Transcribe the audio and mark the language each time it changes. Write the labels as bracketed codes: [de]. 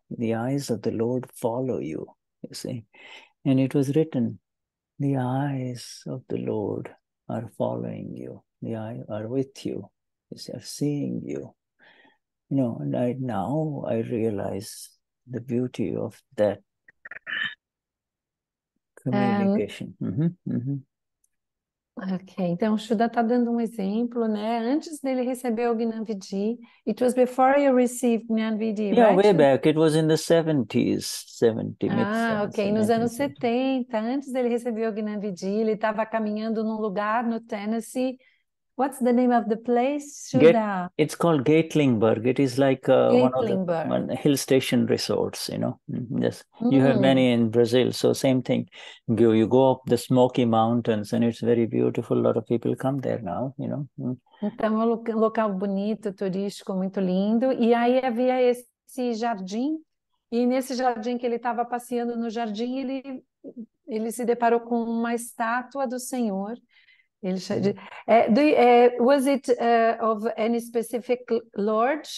[en] The eyes of the Lord follow you, you see. And it was written, the eyes of the Lord are following you. The eyes are with you, you see, are seeing you. You know, and I, now I realize the beauty of that communication. [pt] Ok, então o Shuddha está dando um exemplo, né? Antes dele receber o Gnanvidhi, [en] it was before you received Gnanvidhi, yeah, right? Yeah, way back, it was in the 70s, 70s. [pt] Ah, ok, nos anos 70, antes dele receber o Gnanvidhi, ele estava caminhando num lugar no Tennessee. [en] What's the name of the place, Shuddha? It's called Gatlinburg. It is like one of the hill station resorts, you know. Yes. Mm. You have many in Brazil. So same thing. You go up the Smoky Mountains and it's very beautiful. A lot of people come there now, you know. Mm. [pt] Então, é um local bonito, turístico, muito lindo. E aí havia esse jardim. E nesse jardim que ele estava passeando no jardim, ele se deparou com uma estátua do Senhor. [en] Was it of any specific Lord?